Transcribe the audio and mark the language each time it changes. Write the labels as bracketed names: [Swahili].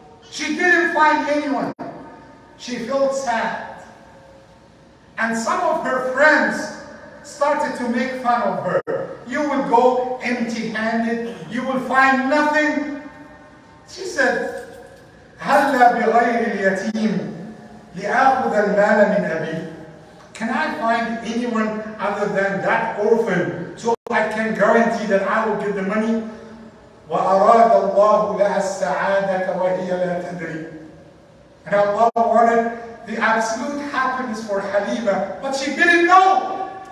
[English] She didn't find anyone. She felt sad. And some of her friends started to make fun of her. You will go empty-handed, you will find nothing. She said, [Arabic] هَلَّا بِغَيْرِ الْيَتِيمِ لِأَخُذَ الْمَالَ مِنْ أَبِي. [English] Can I find anyone other than that orphan so I can guarantee that I will get the money? [Arabic] وَأَرَادَ اللَّهُ لَهَا السَّعَادَةَ وَهِيَ لَا تَدْرِي. [English] And Allah wanted the absolute happiness for Halima, but she didn't know.